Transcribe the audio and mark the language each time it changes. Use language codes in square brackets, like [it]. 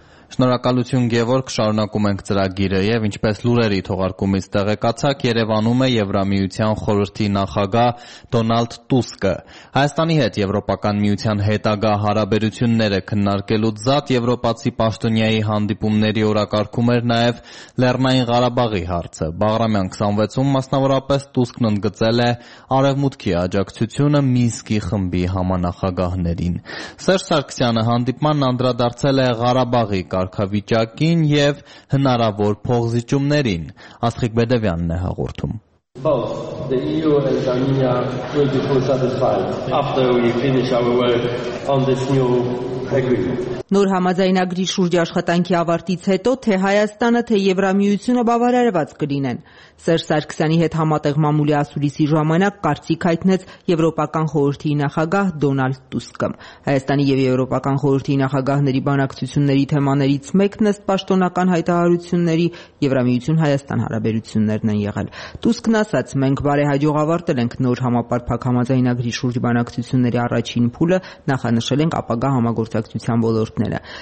[hy] Շնորհակալություն Գևորգ, շարունակում ենք ծրագիրը և ինչպես լուրերի թողարկումից տեղեկացաք, Երևանում է Եվրամիության խորհրդի նախագահ Դոնալդ Տուսկը։ Հայաստանի հետ Եվրոպական միության հետագա հարաբերությունները քննարկելուց զատ եվրոպացի պաշտոնյայի հանդիպումների օրակարգում էր նաև Լեռնային Ղարաբաղի հարցը։ Բաղրամյան 26-ում մասնավորապես Տուսկն ընդգծել է արևմուտքի աջակցությունը Մինսկի խմբի համանախագահներին։ Սերժ Սարգսյանը հանդիպմանն անդրադարձել է Ղարաբաղի կարգավիճակին և հնարավոր փոխզիջումներին, Աստղիկ Բեդևյանն է հաղորդում։ [en] Both the EU and Armenia will be fully satisfied after we finish our work on this new agreement. [hy] Նոր համաձայնագրի շուրջ աշխատանքի ավարտից հետո թե Հայաստանը, թե Եվրամիությունը բավարարված կլինեն։ Սերժ Սարգսյանի հետ համատեղ մամուլի ասուլիսի ժամանակ կարծիք հայտնեց Եվրոպական խորհրդի նախագահ Դոնալդ Տուսկը։ Հայաստանի և Եվրոպական խորհրդի նախագահների բանակցությունների թեմաներից մեկն ըստ պաշտոնական հայտարարությունների Եվրամիություն-Հայաստան հարաբերություններն են եղել։ Տուսկն ասաց, մենք բարեհաջող ավարտել ենք նոր համապարփակ համաձայնագրի շուրջ բանակցությունների առաջին փուլը, նախանշել ենք ապագա համագործակցության ոլորտները։